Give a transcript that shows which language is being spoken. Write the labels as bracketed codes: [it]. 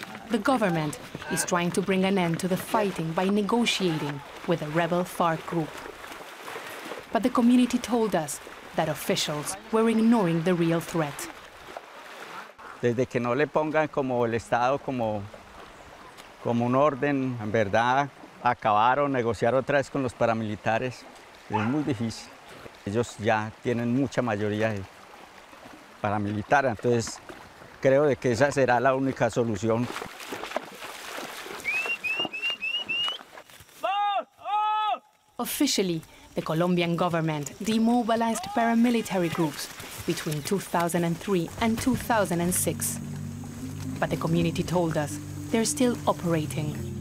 [en] The government is trying to bring an end to the fighting by negotiating with a rebel FARC group. But the community told us that officials were ignoring the real threat. [es] Desde que no le pongan como el Estado como un orden, en verdad, acabaron, negociar otra vez con los paramilitares, es muy difícil. Ellos ya tienen mucha mayoría de paramilitar, entonces creo de que esa será la única solución. [en] Officially, the Colombian government demobilized paramilitary groups between 2003 and 2006. But the community told us they're still operating.